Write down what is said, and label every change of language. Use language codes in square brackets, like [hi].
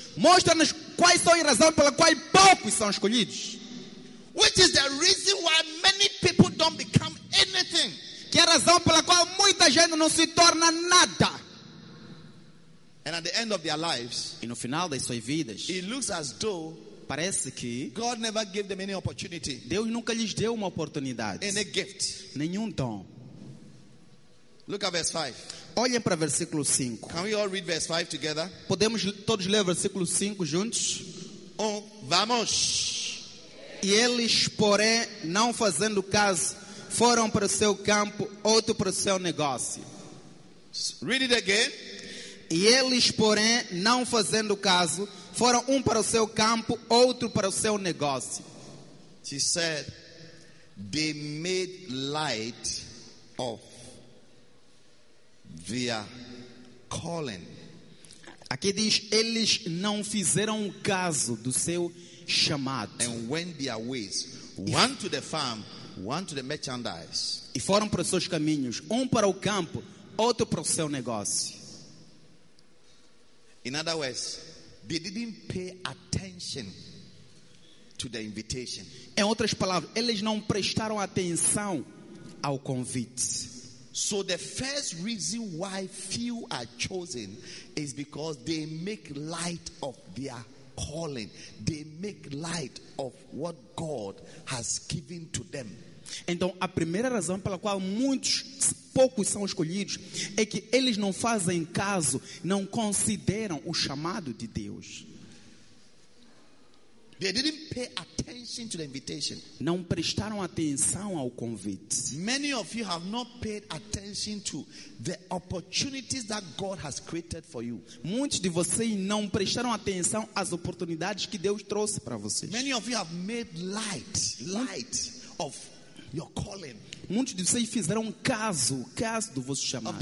[pt] Mostra-nos quais são as razões pela qual poucos são escolhidos. [en] Which is the reason why many people don't become anything. [pt] Que é a razão pela qual muita gente não se torna nada. [en] And at the end of their lives, [pt] e no final das suas vidas, [en] it looks as though [pt] parece que [en] God never gave them any opportunity. [pt] Deus nunca lhes deu uma oportunidade. [en] Any gift. [pt] Nenhum dom. [en] Look at verse 5. [pt] Olhem para versículo 5. [en] Can we all read verse 5 together? [pt] Podemos todos ler versículo 5 juntos? Vamos. E eles, porém, não fazendo caso, foram para o seu campo, outro para o seu negócio. [en] Read it again. [pt] E eles, porém, não fazendo caso, foram um para o seu campo, outro para o seu negócio. [en] She said, they made light of their calling. [pt] Aqui diz, eles não fizeram caso do seu chamado. [en] And went their ways, one to the farm, one to the merchandise. [pt] E foram para os seus caminhos, um para o campo, outro para o seu negócio. [en] In other words, they didn't pay attention to the invitation. [pt] Em outras palavras, eles não prestaram atenção ao convite. [en] So the first reason why few are chosen is because they make light of their calling. They make light of what God has given to them. [pt] Então, a primeira razão pela qual muitos poucos são escolhidos, é que eles não fazem caso, não consideram o chamado de Deus. [en] They didn't pay attention to the invitation. [pt] Não prestaram atenção ao convite. [en] Many of you have not paid attention to the opportunities that God has created for you. [pt] Muitos de vocês não prestaram atenção às oportunidades que Deus trouxe para vocês. [en] Many of you have made light of your calling. [pt] Muitos de vocês fizeram caso do vosso chamado.